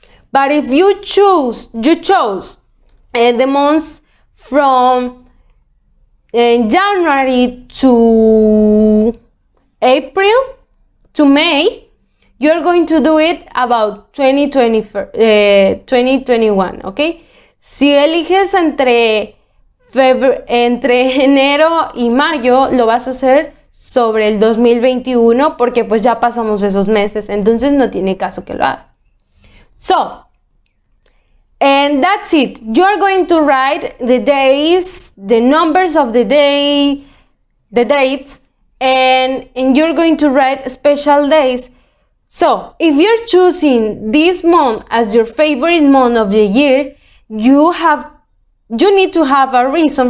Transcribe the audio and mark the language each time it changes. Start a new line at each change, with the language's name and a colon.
English: But if you choose, the months from January to April to May, you're going to do it about 2021, okay?
Spanish: Si eliges entre enero y mayo, lo vas a hacer sobre el 2021, porque pues ya pasamos esos meses, entonces no tiene caso que lo haga.
English: So, and that's it. You are going to write the days, the numbers of the day, the dates, and you're going to write special days. So, if you're choosing this month as your favorite month of the year, you need to have a reason.